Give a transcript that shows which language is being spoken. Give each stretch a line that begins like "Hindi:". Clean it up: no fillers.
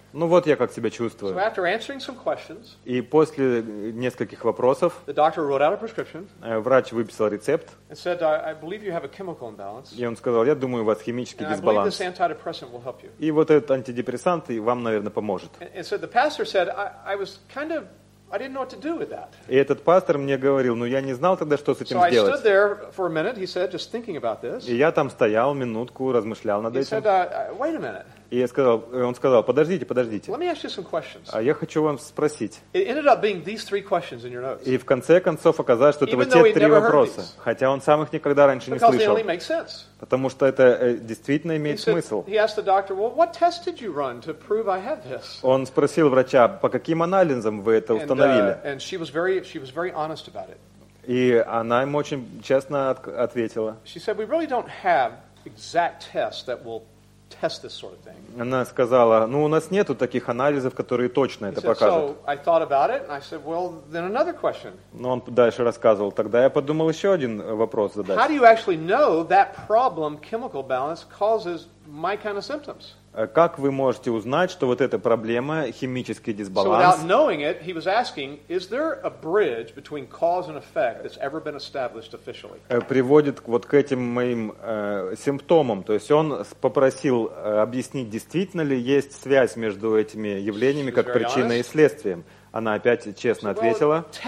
Russian: Ну вот я как себя чувствую.
English: So after answering some questions,
Russian: и после нескольких вопросов,
English: the doctor wrote out a prescription,
Russian: врач выписал рецепт.
English: And said, I believe you have a chemical imbalance,
Russian: и он сказал, я думаю, у вас химический дисбаланс.
English: And I believe this antidepressant will help you.
Russian: И вот этот антидепрессант и вам, наверное, поможет.
English: And so the pastor said, I was kind of... I didn't know what to do with that.
Russian: И этот пастор мне говорил, ну я не знал тогда, что с этим
English: so
Russian: сделать.
English: So I stood there for a minute, he said, just thinking about this.
Russian: И я там стоял минутку, размышлял над
English: he
Russian: этим.
English: He said, wait a minute.
Russian: И я сказал, он сказал, подождите, подождите.
English: Let me ask you some questions.
Russian: А я хочу вам спросить.
English: It ended up being these three questions in your notes.
Russian: И в конце концов оказалось, что
English: Even
Russian: это вот те три вопроса. Хотя он сам их никогда раньше
English: Because
Russian: не слышал.
English: They only make sense.
Russian: Потому что это действительно имеет смысл.
English: He asked the doctor, well, what test did you run to prove I have this?
Russian: Он спросил врача, по каким анализам вы это установили?
English: And she was very honest about it.
Russian: И она ему очень честно ответила.
English: She said, we really don't have exact tests that will test this sort of thing.
Russian: Она сказала, ну у нас нету таких анализов, которые точно
English: He
Russian: это покажут.
English: So I thought about it, and I said, well, then another question.
Russian: Но он дальше рассказывал, тогда я подумал еще один вопрос задать.
English: How do you actually know that problem, chemical balance, causes my kind of symptoms?
Russian: Как вы можете узнать, что вот эта проблема, химический дисбаланс?
English: So without knowing it, he was asking, is there a bridge between cause and effect that's ever been established officially?
Russian: Приводит вот к этим моим симптомам. То есть он попросил объяснить, действительно ли есть связь между этими явлениями как причиной и следствием. Она опять честно ответила.